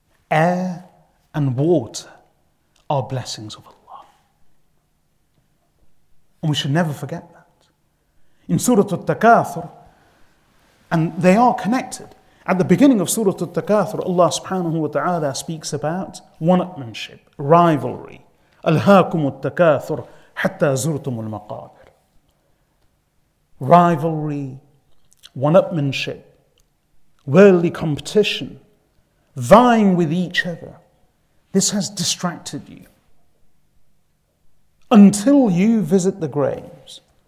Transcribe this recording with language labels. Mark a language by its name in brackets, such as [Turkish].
[English] Air and water are blessings of Allah. And we should never forget that. In Surah At-Takathur, and they are connected. At the beginning of Surah At-Takathur, Allah subhanahu wa ta'ala speaks about one-upmanship, rivalry. [Arabic] أَلْهَاكُمُ التَّكَاثُرُ حَتَّى زُرْتُمُ الْمَقَابِرِ. [English] Rivalry, one-upmanship, worldly competition, vying with each other. This has distracted you. until you visit the graves.